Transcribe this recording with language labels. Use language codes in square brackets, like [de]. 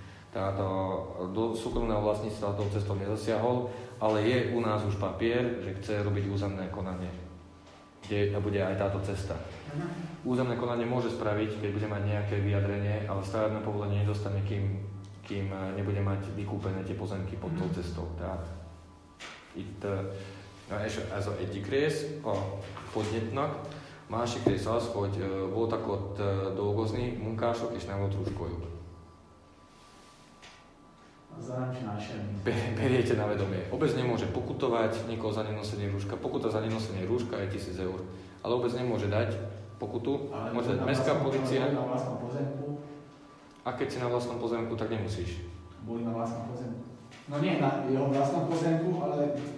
[sk] Tehát do súkromného vlastníctva tou cestou nezasiahol, ale je u nás už papier, že chce robiť územné konanie, kde bude aj táto cesta. Územné konanie môže spraviť, keď bude mať nejaké vyjadrenie, ale stavebné povolenie nedostane, kým nebude mať vykúpené tie pozemky pod tou cestou. [hu] Tehát itt ez az egyik rész a podnyitnak, másik rész az, hogy voltak ott dolgozni munkások, és nem volt rúzskójuk. Azzal nem csinál semmit. [sk] Beriete na vedomie. Obec nemôže pokutovať nikoho za nenosenie rúška. Pokuta za nenosenie rúška je 1000 eur. Ale obec nemôže dať pokutu. Ale môže dať mestská policia. Na vlastnom pozemku. A keď si na vlastnom pozemku, tak nemusíš. Boli na vlastnom pozemku. No nie na jeho vlastnom pozemku, ale...